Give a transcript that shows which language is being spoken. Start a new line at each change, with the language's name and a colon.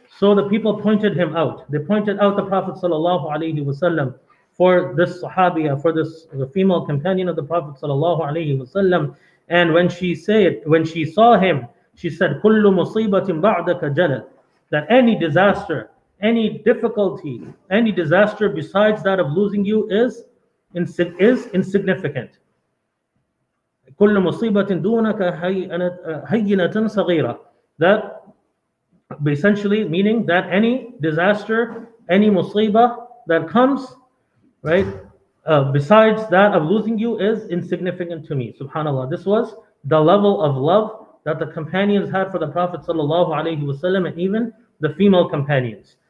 English: So the people pointed him out. They pointed out the Prophet sallallahu alaihi wasallam for this sahabiya, for this the female companion of the Prophet sallallahu alaihi wasallam. And when she saw him, she said,
Arabic: كُلُّ مُصِيبَةٍ بَعْدَكَ جَلَلٌ,
English: that any disaster, any difficulty, any disaster besides that of losing you is insignificant.
Arabic: كل مصيبة دونك هينة صغيرة.
English: That essentially meaning that any disaster, any musiba that comes, right, besides that of losing you is insignificant to me. SubhanAllah. This was the level of love that the companions had for the Prophet sallallahu alayhi wasallam, and even the female companions.